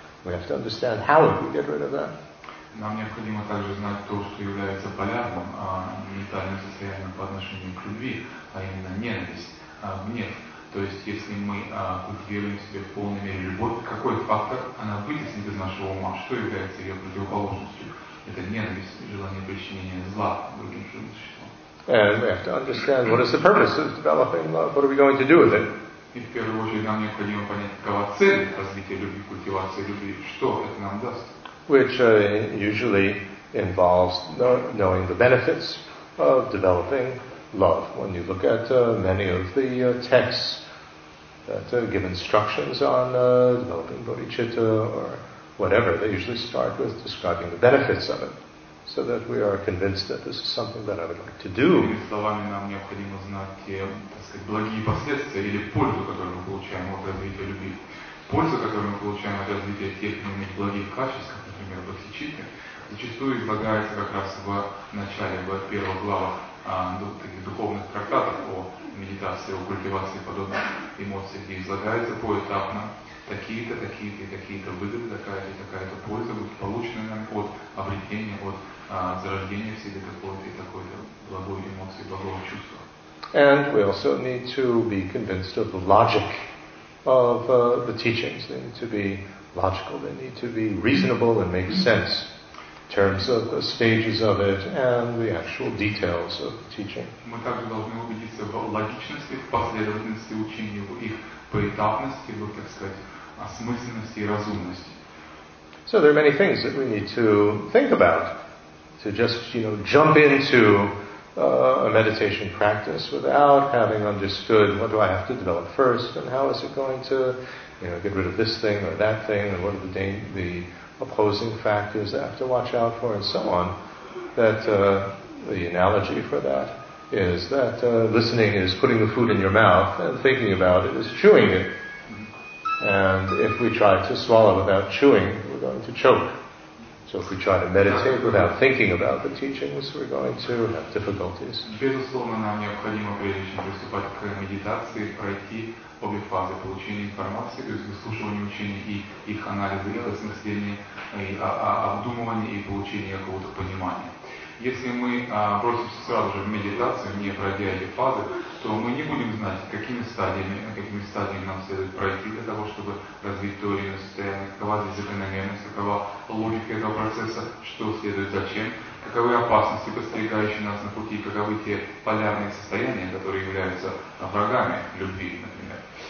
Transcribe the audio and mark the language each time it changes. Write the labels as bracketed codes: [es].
[en] We have to understand how we get rid of that. [ru] Нам необходимо также знать то, что является полярным ментальным состоянием по отношению к любви, а именно ненависть, гнев. То есть, если мы культивируем в себе в полной мере любовь, какой фактор она вытеснит из нашего ума, что является ее противоположностью? Это ненависть, желание причинения зла другим существам. [en] And we have to understand what is the purpose of developing love. What are we going to do with it? [ru] И в первую очередь нам необходимо понять, какова цель развития любви, культивации любви, что это нам даст. [en] Which usually involves knowing the benefits of developing love. When you look at many of the texts that give instructions on developing bodhicitta or whatever, they usually start with describing the benefits of it, so that we are convinced that this is something that I would like to do. [ru] Другими словами, нам необходимо знать те, так сказать, благие последствия или пользу, которую мы получаем от развития любви. Пользу, которую мы получаем от развития тех или иных благих качеств, как, например, бодхичитты, зачастую излагается как раз в начале, в первых главах таких духовных трактатов о медитации, о культивации подобных эмоций, где излагается поэтапно такие-то, такие-то и такие-то выгоды, такая-то и такая-то польза будет получена нам от обретения, от зарождения в себе какой-то и такой-то благой эмоции, благого чувства. [en] And we also need to be convinced of the logic of the teachings. They need to be logical, they need to be reasonable and make sense in terms of the stages of it and the actual details of the teaching. [ru] Мы также должны убедиться в логичности, в последовательности учения, в их поэтапности, в, так сказать, осмысленности и разумности. [en] So there are many things that we need to think about to just, you know, jump into a meditation practice without having understood what do I have to develop first and how is it going to, you know, get rid of this thing or that thing and what are the opposing factors I have to watch out for and so on. That the analogy for that is that listening is putting the food in your mouth and thinking about it is chewing it. And if we try to swallow without chewing, we're going to choke. So if we try to meditate without thinking about the teachings, we're going to have difficulties. [ru] Безусловно, нам необходимо, прежде чем приступать к медитации, пройти обе фазы получения информации, то есть выслушивание учений и их анализа, их осмысления, обдумывания и получения какого-то понимания. Если мы бросимся сразу же в медитацию, не пройдя эти фазы, то мы не будем знать, какими стадиями нам следует пройти для того, чтобы развить то или иное состояние, какова здесь закономерность, какова логика этого процесса, что следует зачем, каковы опасности, подстерегающие нас на пути, каковы те полярные состояния, которые являются врагами любви, например.